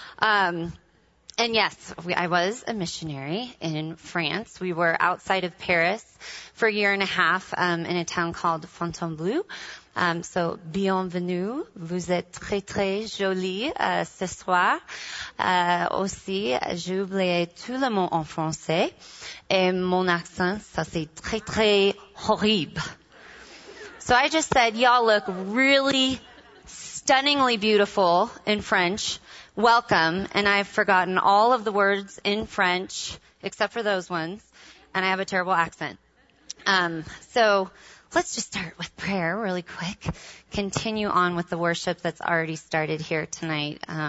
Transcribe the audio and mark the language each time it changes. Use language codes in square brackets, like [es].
[en] And yes, I was a missionary in France. We were outside of Paris for a year and a half in a town called Fontainebleau. [fr] So, bienvenue. Vous êtes très, très jolie ce soir. Aussi, j'ai oublié tout le monde en français. Et mon accent, ça c'est très, très horrible. [en] So I just said, y'all look really stunningly beautiful in French. Welcome, and I've forgotten all of the words in French, except for those ones, and I have a terrible accent. So let's just start with prayer really quick, continue on with the worship that's already started here tonight.